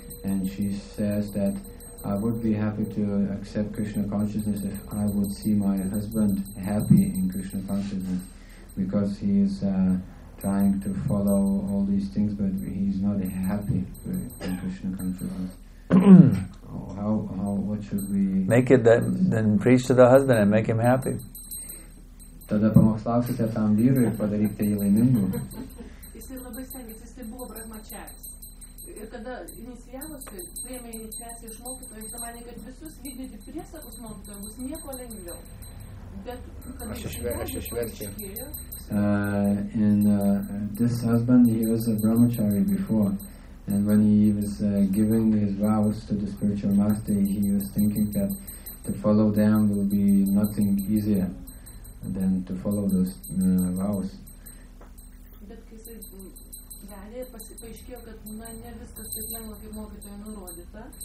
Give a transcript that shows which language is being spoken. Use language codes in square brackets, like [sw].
[en] And she says that, I would be happy to accept Krishna consciousness if I would see my husband happy in Krishna consciousness. Because he is trying to follow all these things, but he's not happy in Krishna consciousness. how what should we make it that then preach to the husband and make him happy? [lt] Tada pamokslaukite tam vyrui ir padarykite jį laimingu. Jis ir labai stengiasi, jis tai buvo brahmačaris. Ir kada inicijavosi, priėmė iniciaciją iš mokytojų, jis manė, kad visus vykdyti priesakus mokytojų bus nieko lengviau. [en] This husband, he was a brahmachari before, and when he was giving his vows to the spiritual master, he was thinking that to follow them will be nothing easier than to follow those vows.